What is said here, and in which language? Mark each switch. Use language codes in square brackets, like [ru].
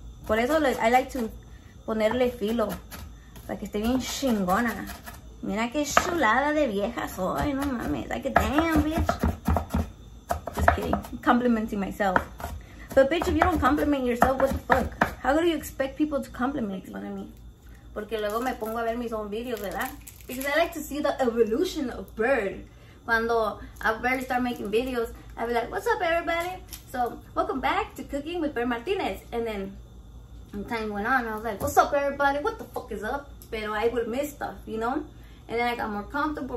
[es] Por eso [en] I like to [es] ponerle filo. Para que esté bien chingona. Mira que chulada de vieja soy. No mames. [en] Like a damn, bitch. Just kidding. I'm complimenting myself. But bitch, if you don't compliment yourself, what the fuck? How do you expect people to compliment you? Me? [es] Porque luego me pongo a ver mis [en] own videos, [es] ¿verdad? [en] Because I like to see the evolution of Bird. [es] Cuando [en] I barely start making videos, I'll be like, what's up, everybody? So, welcome back to Cooking with Bird Martinez. And then, time went on, I was like, what's up, everybody? What the fuck is up? [es] Pero [en] I would miss stuff, you know? And then I got more comfortable.